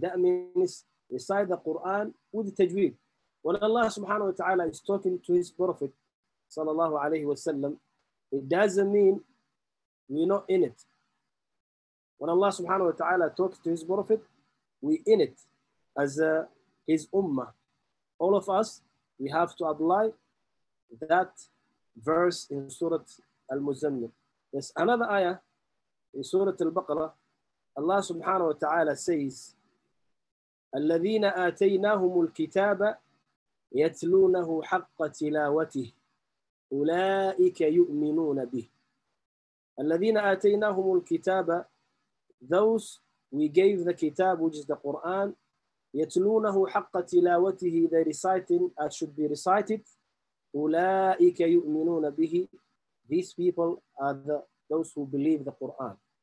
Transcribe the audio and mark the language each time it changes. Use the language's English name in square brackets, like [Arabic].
[English] That means recite the Quran with the tajweed. When Allah subhanahu wa ta'ala is talking to his Prophet sallallahu alayhi wa sallam, it doesn't mean we're not in it. When Allah subhanahu wa ta'ala talks to his Prophet, we're in it as his ummah. All of us, we have to apply that verse in Surah Al-Muzammil. There's another ayah in Surah Al-Baqarah. Allah subhanahu wa ta'ala says, [Arabic] الَّذِينَ آتَيْنَاهُمُ الْكِتَابَ يَتْلُونَهُ حَقَّ تِلَاوَتِهِ أُولَٰئِكَ يُؤْمِنُونَ بِهِ. الَّذِينَ آتَيْنَاهُمُ الْكِتَابَ, [English] those we gave the kitab, which is the Quran, [Arabic] يَتْلُونَهُ حَقَّ تِلَاوَتِهِ, [English] they reciting as should be recited, [Arabic] أُولَٰئِكَ يُؤْمِنُونَ بِهِ, [English] these people are those who believe the Quran.